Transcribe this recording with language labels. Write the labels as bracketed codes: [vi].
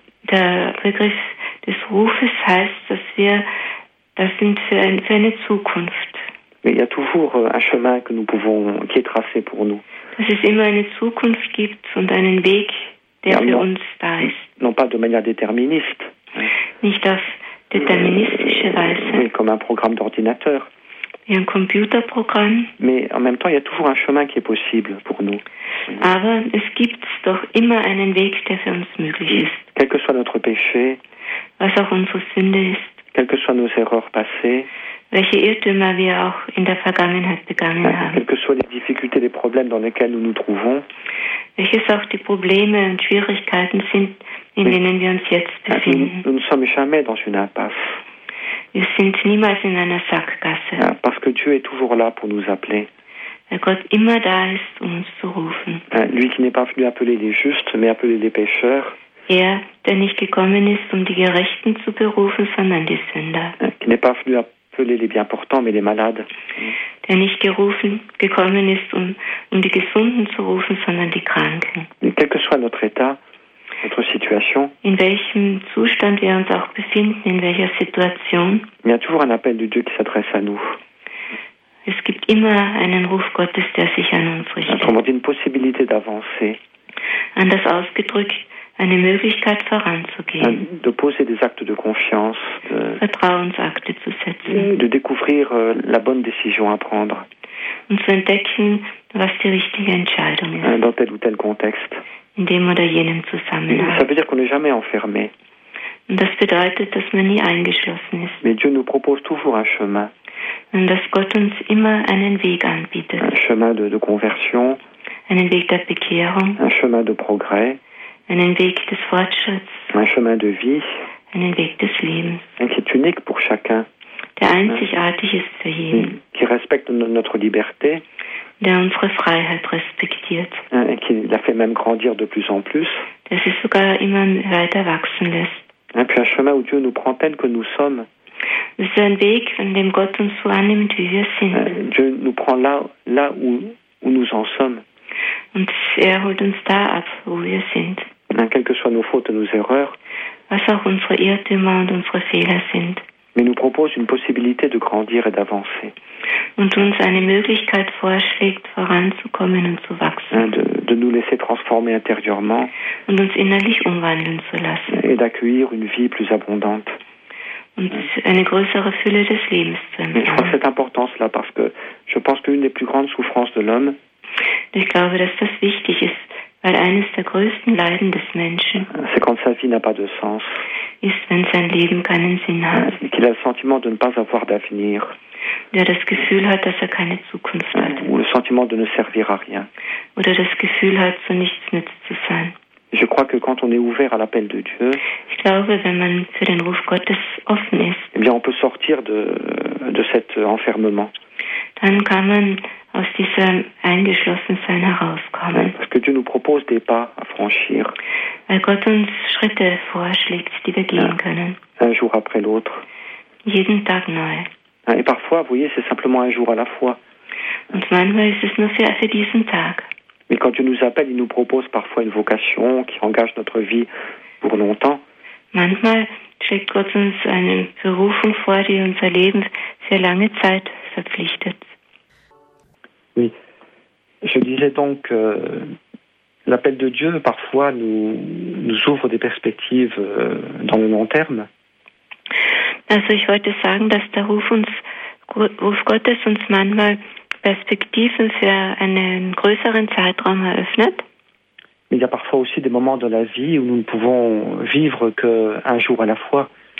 [de] Der Begriff des Rufes heißt, dass wir das sind für eine Zukunft. [fr] Mais il y a toujours un chemin que nous pouvons qui est tracé pour nous. [de] Dass es immer eine Zukunft gibt und einen Weg, der für uns da ist. [fr] Non pas de manière déterministe. [de] Nicht auf déterministische Weise. [fr] Mais comme un programme d'ordinateur. Et un [de] computerprogramm. [fr] Mais en même temps, il y a toujours un chemin qui est possible pour nous. [de] Aber es gibt doch immer einen Weg, der für uns möglich ist. [fr] Quel que soit notre péché. [de] Was auch unsere Sünde ist. [fr] Quelles que soient nos erreurs passées. [de] Welche Irrtümer wir auch in der Vergangenheit begangen haben. [fr] Quelles que soient les difficultés, les problèmes dans lesquels nous nous trouvons. [de] Welches auch die Probleme und Schwierigkeiten sind, in denen wir uns jetzt befinden. [fr] Nous ne sommes jamais dans une impasse. [de] Wir sind niemals in einer Sackgasse. [fr] Ja, parce que Dieu est toujours là pour nous appeler. [de] Weil Gott immer da ist, um uns zu rufen. [fr] Ja, lui qui n'est pas venu appeler les justes, mais appeler les pécheurs. [de] Er, der nicht gekommen ist, um die Gerechten zu berufen, sondern die Sünder. Ja, [fr] qui n'est pas venu appeler les bien portants, mais les malades. [de] Der nicht gekommen ist, um die Gesunden zu rufen, sondern die Kranken. [fr] Mais quel que soit notre état, notre situation. [de] In welchem Zustand wir uns auch befinden, in welcher Situation. [fr] Il y a toujours un appel de Dieu qui s'adresse à nous. [de] Es gibt immer einen Ruf Gottes, der sich an uns richtet. [fr] Autrement dit, une possibilité d'avancer. [de] Anders ausgedrückt, eine Möglichkeit voranzugehen. [fr] De poser des actes de confiance. [de] Vertrauensakte zu setzen. [fr] De découvrir la bonne décision à prendre. [de] Und zu entdecken, was die richtige Entscheidung ist. [fr] Dans tel ou tel contexte. [de] In dem oder jenem Zusammenhang. [fr] Ça veut dire qu'on n'est jamais enfermé. [de] Das bedeutet, dass man nie eingeschlossen ist. [fr] Mais Dieu nous propose toujours un chemin. [de] Und dass Gott uns immer einen Weg anbietet. [fr] Un chemin de conversion. [de] Einen Weg der Bekehrung. [fr] Un chemin de progrès. [de] Einen Weg des Fortschritts. [fr] Un chemin de vie. [de] Einen Weg des Lebens. [fr] Et qui est unique pour chacun. [de] Der einzigartig ist für jeden. [fr] Qui respecte notre liberté. [de] Der unsere Freiheit respektiert. [fr] Et qui la fait même grandir de plus en plus. [de] Der sie sogar immer weiter wachsen lässt. [fr] Et puis un chemin où Dieu nous prend tel que nous sommes. C'est un [de] Weg, an dem Gott uns so annimmt, wie wir sind. [fr] Dieu nous prend là où nous en sommes. [de] Und er holt uns da ab, wo wir sind. [fr] Quelles que soient nos fautes et nos erreurs. [de] Was auch unsere Irrtümer und unsere Fehler sind. [fr] Mais nous propose une possibilité de grandir et d'avancer. [de] Und uns eine Möglichkeit vorschlägt, voranzukommen und zu wachsen. [fr] De nous laisser transformer intérieurement. [de] Und uns innerlich umwandeln zu lassen. [fr] Et d'accueillir une vie plus abondante. [de] Und eine größere Fülle des Lebens zu empfangen. [fr] Je crois cette importance-là parce que je pense qu'une des plus grandes souffrances de l'homme. [de] Ich glaube, dass das wichtig ist, weil eines der größten Leiden des Menschen. [fr] C'est quand sa vie n'a pas de sens. [de] Ist, wenn sein Leben keinen Sinn hat. [fr] Et qu'il a le sentiment de ne pas avoir d'avenir. [de] Der das Gefühl hat, dass er keine Zukunft hat. [fr] Ou le sentiment de ne servir à rien. [de] Oder das Gefühl hat, zu nichts nütz zu sein. [fr] Je crois que quand on est ouvert à l'appel de Dieu. [de] Ich glaube, wenn man für den Ruf Gottes offen ist. [fr] Eh bien, on peut sortir de cet enfermement. [de] Dann kann man aus diesem Eingeschlossensein herauskommen. [fr] Parce que Dieu nous propose des pas à franchir. [de] Weil Gott uns Schritte vorschlägt, die wir gehen können. [fr] Un jour après l'autre. [de] Jeden Tag neu. [fr] Et parfois, vous voyez, c'est simplement un jour à la fois. [de] Und manchmal ist es nur für diesen Tag. [fr] Mais quand Dieu nous appelle, il nous propose parfois une vocation qui engage notre vie pour longtemps. [de] Manchmal schlägt Gott uns eine Berufung vor, die unser Leben sehr lange Zeit verpflichtet. [fr] Oui. Je disais donc, l'appel de Dieu parfois nous ouvre des perspectives dans le long terme. [de] Also ich wollte sagen, dass der Ruf Gottes uns manchmal Perspektiven für einen größeren Zeitraum eröffnet. [fr] Mais il y a parfois aussi des moments de la vie où nous ne pouvons vivre qu'un jour à la fois.